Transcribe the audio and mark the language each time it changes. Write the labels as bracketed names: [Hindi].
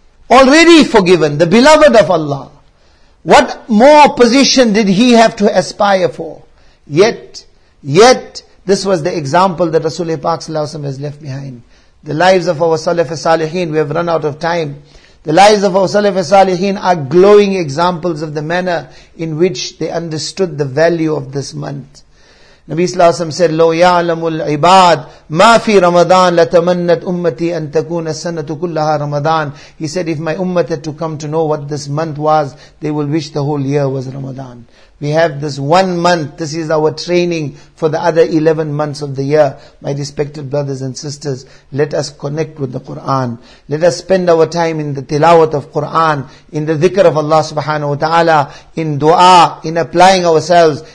[English] Already forgiven, the beloved of Allah. What more position did he have to aspire for? Yet, This was the example that Rasulullah Pak Sallallahu Alaihi Wasallam has left behind. The lives of our Salaf Salihin, we have run out of time. The lives of our Salaf Salihin are glowing examples of the manner in which they understood the value of this month. [Arabic] Nabi Sallallahu Alaihi Wasallam said, لَوْ يَعْلَمُ الْعِبَادِ مَا فِي رَمَضَانَ لَتَمَنَّتْ أُمَّتِي أَن تَكُونَ السَّنَةُ كُلَّهَا رَمَضَانَ. [English] He said, if my ummah had to come to know what this month was, they will wish the whole year was Ramadan. We have this one month, this is our training for the other 11 months of the year. My respected brothers and sisters, let us connect with the Qur'an. Let us spend our time in the tilawat of Qur'an, in the dhikr of Allah subhanahu wa ta'ala, in dua, in applying ourselves.